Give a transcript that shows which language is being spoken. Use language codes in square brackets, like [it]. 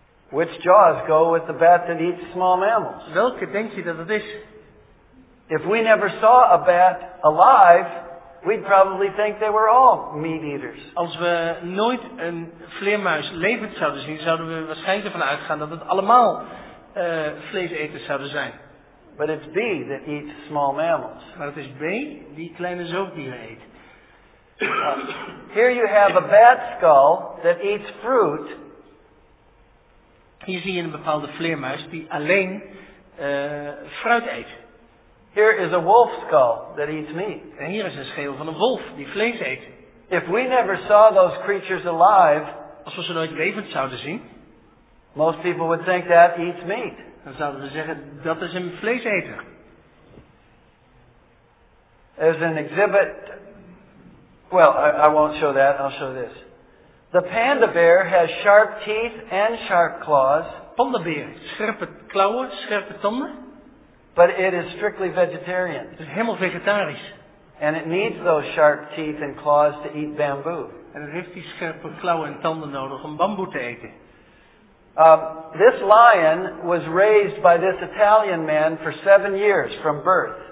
[en] Which jaws go with the bat that eats small mammals? [nl] Welke denk je dat het is? [en] If we never saw a bat alive, we'd probably think they were all meat eaters. [nl] Als we nooit een vleermuis levend zouden zien, zouden we waarschijnlijk ervan uitgaan dat het allemaal vleeseters zouden zijn. [en] But it's B that eats small mammals. [nl] Maar het is B die kleine zoogdieren eet. [en] Here you have a bat skull that eats fruit. [nl] Hier zie je een bepaalde vleermuis die alleen fruit eet. [en] Here is a wolf skull that eats meat. [nl] En hier is een schedel van een wolf die vlees eet. [en] If we never saw those creatures alive, [nl] als we ze nooit levend zouden zien, [en] most people would think that eats meat. [nl] Dan zouden we zeggen dat is een vleeseter. [en] There's an exhibit. Well, I won't show that. I'll show this. The panda bear has sharp teeth and sharp claws. [nl] Panda beer, scherpe klauwen, scherpe tanden. [en] But it is strictly vegetarian. [nl] Het is helemaal vegetarisch. [en] And it needs those sharp teeth and claws to eat bamboo. [nl] En het heeft die scherpe klauwen en tanden nodig om bamboe te eten. [en] This lion was raised by this Italian man for 7 years from birth.